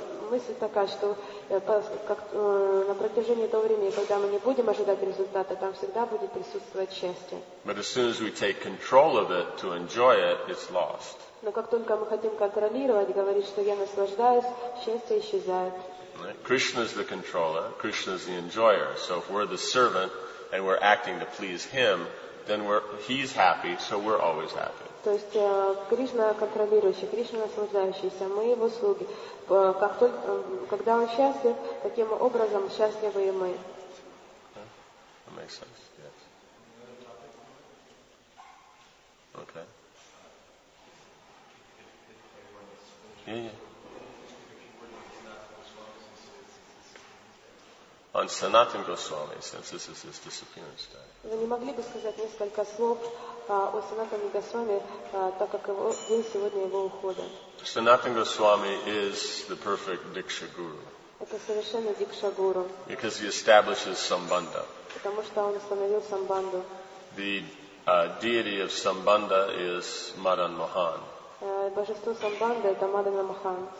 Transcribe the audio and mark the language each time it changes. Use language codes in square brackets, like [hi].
[ru] Мысль такая, что на протяжении того времени, когда мы не будем ожидать результата, там всегда будет присутствовать счастье. [en] But as soon as we take control of it to enjoy it, it's lost. [ru] Но как только мы хотим контролировать, говорить, что я наслаждаюсь, счастье исчезает. [en] Krishna is the controller, Krishna is the enjoyer. So if we're the servant and we're acting to please him, then he's happy, so we're always happy. [ru] То есть Кришна контролирующий, Кришна наслаждающийся, мы его слуги. Когда он счастлив, таким образом счастливы и мы. [en] That makes sense, yes. Okay. Yeah. On Sanatan Goswami, since this is his disappearance day. [ru] Вы не могли бы сказать несколько слов о Санатане Госвами, так как день сегодня его ухода? [en] Sanatan Goswami is the perfect Diksha Guru. [ru] Это совершенно Диксха Гуру. [en] Because he establishes Sambandha. [ru] Потому что он установил Самбанду. [en] The deity of Sambandha is Madan Mohan. [ru] Божество Самбанды это Мадан Мохан.